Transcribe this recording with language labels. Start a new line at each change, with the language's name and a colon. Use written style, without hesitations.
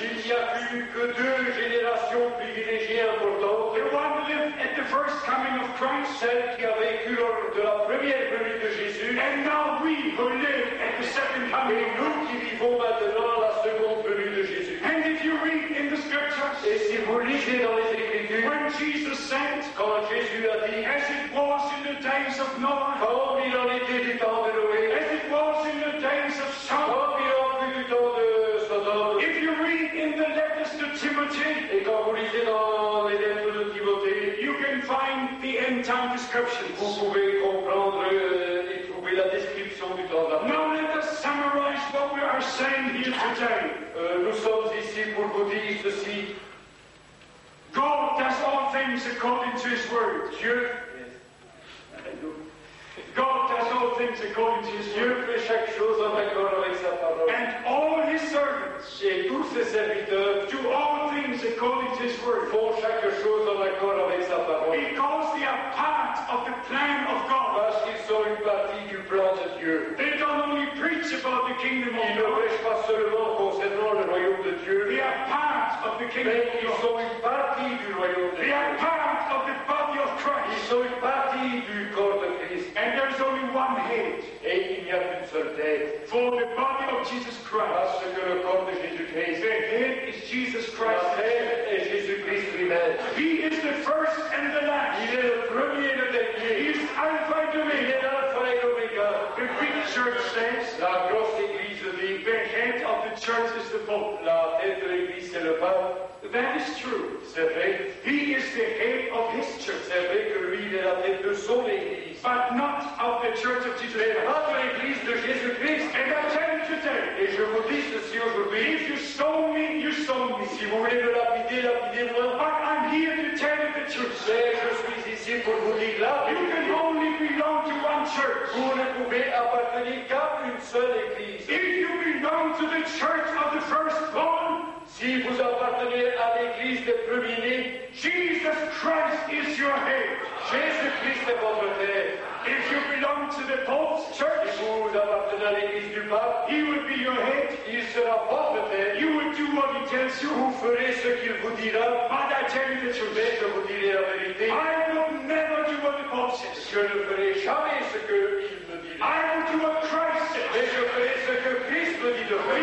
French: Il n'y a plus que deux générations privilégiées importantes.
English: The one lived at the first coming of Christ.
French: Celle qui a vécu lors de la première venue de Jésus.
English: And now we who live at the second coming.
French: Et nous qui vivons maintenant la seconde venue de Jésus.
English: And if you read in the scriptures,
French: et si vous lisez dans les Écritures,
English: when Jesus sent,
French: quand Jésus a dit,
English: as it was in the days of Noah,
French: comme il en était du temps de Noé,
English: as it was in the days of Sodom,
French: comme il en était du temps de Sodome,
English: if you read in the letters to Timothy,
French: et quand vous lisez dans les lettres de Timothée,
English: you can find the end time descriptions.
French: Vous pouvez comprendre et trouver la description du temps d'après.
English: Now let us summarize what we are saying here today.
French: Nous sommes ici pour vous dire ceci.
English: God does all things according to his word.
French: Dieu.
English: God does all things according to his word.
French: Dieu fait chaque chose en accord avec sa parole.
English: And all his servants.
French: Et tous ses serviteurs.
English: Do all things according to his word.
French: Font chaque chose en accord avec sa parole.
English: Because they are part of the plan of God.
French: Parce qu'ils sont une partie du plan de Dieu.
English: They don't only preach about the kingdom of God.
French: Ils ne prêchent pas seulement concernant le royaume de Dieu.
English: They are part of the kingdom of God.
French: Mais ils sont une partie du royaume de Dieu.
English: They are part of the body of Christ.
French: Ils sont une partie du corps de Christ.
English: And there is only one head.
French: Et il n'y a qu'une seule tête.
English: For the body of Jesus Christ.
French: Parce que le corps de Jésus-Christ.
English: The head is Jesus Christ.
French: La tête est Jésus-Christ lui-même.
English: He is the first and the last.
French: Il est le premier et le dernier.
English: He is Alpha and Omega.
French: Il est Alpha et Omega.
English: The big church says.
French: La grosse église dit.
English: The head of the church is the Pope.
French: La tête de l'église c'est le Pape.
English: That is true.
French: C'est vrai.
English: He is the head of his church.
French: C'est vrai que lui est la tête de son église.
English: But not of the Church of Jesus Christ.
French: Mais pas de l'Église de Jésus Christ.
English: And I tell you today.
French: Et je vous dis ceci aujourd'hui.
English: If you stone me, you stone me.
French: Si vous voulez me lapider, lapidez-moi.
English: But I'm here to tell you the truth.
French: Mais je suis ici pour vous dire là.
English: You can only belong to one church.
French: Vous ne pouvez appartenir qu'à une seule Église.
English: If you belong to the Church of the Firstborn.
French: Si vous appartenez à l'Église des premiers-nés,
English: Jesus Christ is your head.
French: Jésus-Christ est votre tête.
English: If you belong to the Pope's church,
French: si vous appartenez à l'église du pape,
English: he will be your head.
French: Il sera votre tête.
English: You will do what he tells you.
French: Vous ferez ce qu'il vous dira.
English: But I tell you the truth.
French: Mais je vous dirai la vérité.
English: I will never do what the Pope says.
French: Je ne ferai jamais ce qu'il me dira.
English: I will do what Christ says.
French: Mais je ferai ce que Christ me dit de faire.